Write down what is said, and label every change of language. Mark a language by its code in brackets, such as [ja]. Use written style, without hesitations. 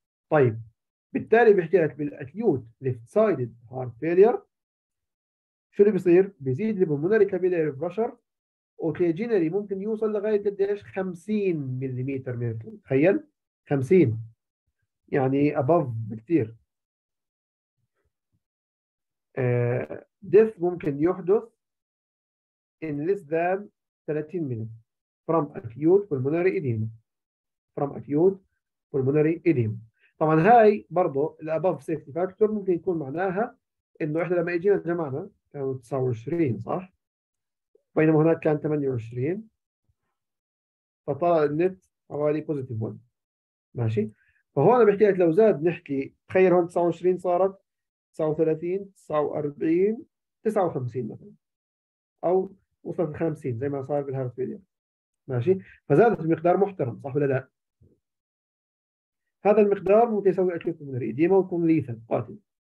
[ar] طيب بالتالي بحكي لك بالاكيوت ليفت سايدد هارت فيلير شو اللي بيصير؟ بيزيد البلمونري كابيلاري بريشر اوكيجينالي ممكن يوصل لغايه قديش؟ 50 مليمتر مركبي، تخيل 50 يعني above بكثير. [en] death [ar] ممكن يحدث [en] in less than 30 minutes from acute pulmonary edema from acute pulmonary edema. [ar] طبعا هاي برضه الابوف سيفتي فاكتور ممكن يكون معناها انه احنا لما اجينا جمعنا كانوا 29 صح؟ بينما هناك كان 28 فطلع النت حوالي بوزيتيف 1 ماشي؟ فهون بحكي لك لو زاد نحكي تخيل هون 29 صارت 39 49 59 مثلا او وصلت 50 زي ما صار بالهارت فيلير ماشي، فزادت بمقدار محترم صح ولا لا؟ هذا المقدار ممكن يسوي اكيوت بلمونري إديما ويكون ليثال قاتل.